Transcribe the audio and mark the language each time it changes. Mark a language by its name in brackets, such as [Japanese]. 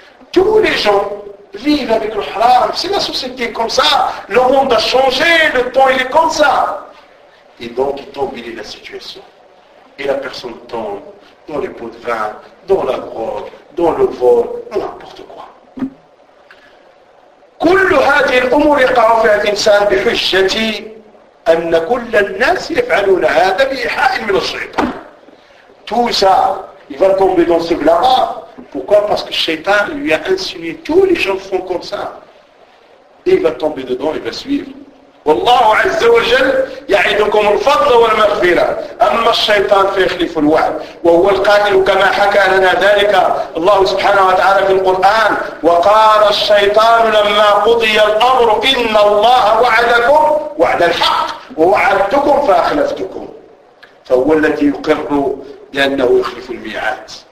[French] Tous les gens vivent avec le haram. C'est la société comme ça. Le monde a changé, le temps il est comme ça. Et donc, il t'embellit la situation. Et la personne tombe dans les pots de vin, dans la drogue, dans le vol, n'importe quoi. [Arabic] كل هذه الأمور يقع فيها الإنسان بحجة أن كل الناس يفعلون هذا بإيحاء من الشيطان. [French] Tout ça, il va tomber dans ce blâme. Pourquoi? Parce que le Shaitan lui a insinué. Tous les gens font comme ça. Et il va tomber dedans, il va suivre. [Arabic] والله عز وجل يعدكم الفضل والمغفرة أما الشيطان فيخلف الوعد وهو القائل كما حكى لنا ذلك الله سبحانه وتعالى في القرآن وقال الشيطان لما قضي الأمر إن الله وعدكم وعد الحق ووعدتكم فأخلفتكم فهو الذي يقر بأنه يخلف الميعاد